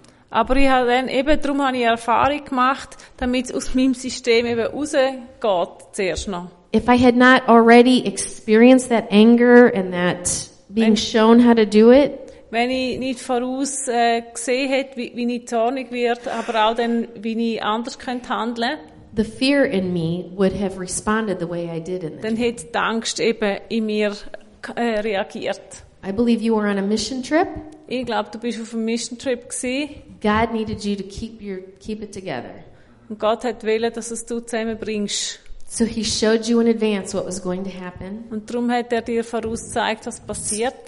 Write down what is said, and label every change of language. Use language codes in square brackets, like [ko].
[de] Aber ich habe dann eben, darum habe ich Erfahrung gemacht, damit es aus meinem System eben rausgeht, zuerst noch. [en] If I had not already experienced that anger and that being shown how to do it. [de] Wenn ich nicht voraus gesehen hätte, wie ich zornig werde, aber auch dann, wie ich anders könnte handeln. [en] The fear in me would have responded the way I did in the dream. [de] Dann hätte die Angst eben in mir reagiert. [en] I believe you were on a mission trip. [de] Ich glaube, du bist auf einem Mission Trip gsi. [en] God needed you to keep it together. [de] Und Gott hat wollen, dass es du zusammenbringst. [en] So he showed you in advance what was going to happen. [de] Und drum hat er dir vorausgezeigt, was passiert.